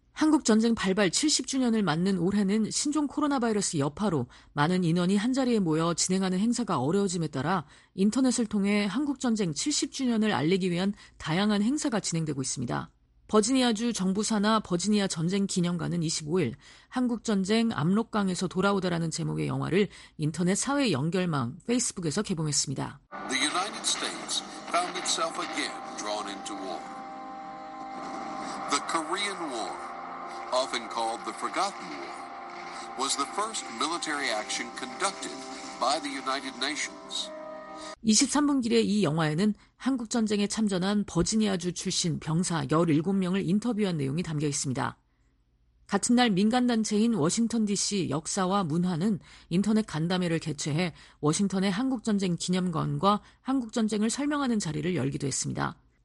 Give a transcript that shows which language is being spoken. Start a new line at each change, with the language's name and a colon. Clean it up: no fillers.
Korean: 한국전쟁 발발 70주년을 맞는 올해는 신종 코로나 바이러스 여파로 많은 인원이 한자리에 모여 진행하는 행사가 어려워짐에 따라 인터넷을 통해 한국전쟁 70주년을 알리기 위한 다양한 행사가 진행되고 있습니다. 버지니아주 정부 산하 버지니아 전쟁 기념관은 25일 한국전쟁 압록강에서 돌아오다라는 제목의 영화를 인터넷 사회 연결망 페이스북에서 개봉했습니다.
English: The United States found itself again drawn into war. The Korean War, often called the Forgotten War, was the first military action conducted by the United Nations.
Korean: 23분기의 이 영화에는 한국전쟁에 참전한 버지니아주 출신 병사 17명을 인터뷰한 내용이 담겨 있습니다. 같은 날 민간단체인 워싱턴 DC 역사와 문화는 인터넷 간담회를 개최해 워싱턴의 한국전쟁 기념관과 한국전쟁을 설명하는 자리를 열기도 했습니다.